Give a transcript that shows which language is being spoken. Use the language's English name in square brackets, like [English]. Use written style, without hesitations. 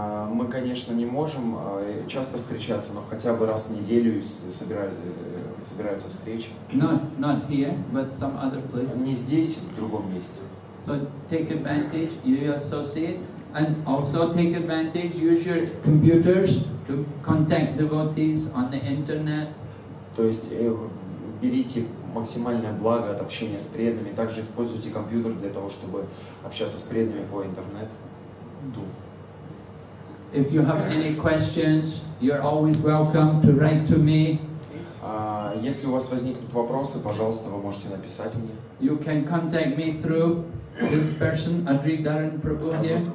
[Russian] Мы, конечно, не можем часто встречаться, но хотя бы раз в неделю собираются встречи. [English] Not here, but some other place. [Russian] Не здесь, в другом месте. [English] So take advantage, you associate, and also take advantage, use your computers to contact devotees on the internet. [Russian] То есть берите максимальное благо от общения с преданными. Также используйте компьютер для того, чтобы общаться с преданными по интернету. [English] If you have any questions, you're always welcome to write to me. [Russian] Если у вас возникнут вопросы, пожалуйста, вы можете написать мне. [English] You can contact me through this person, Adri Dharan Prabhu here.